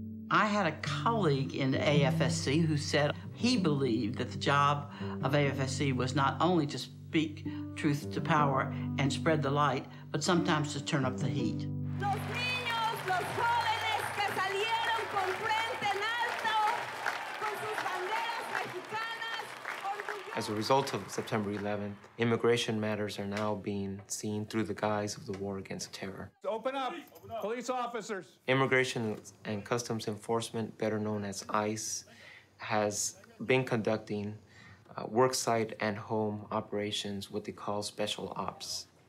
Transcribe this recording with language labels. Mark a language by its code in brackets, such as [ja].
[en] I had a colleague in AFSC who said he believed that the job of AFSC was not only to speak truth to power and spread the light, but sometimes to turn up the heat. [es] Los niños, los jóvenes que salieron con frente en alto, con sus banderas mexicanas, orgullosos. [en] As a result of September 11th, immigration matters are now being seen through the guise of the war against terror. Open up, police officers. Immigration and Customs Enforcement, better known as ICE, has been conducting worksite and home operations, what they call special ops.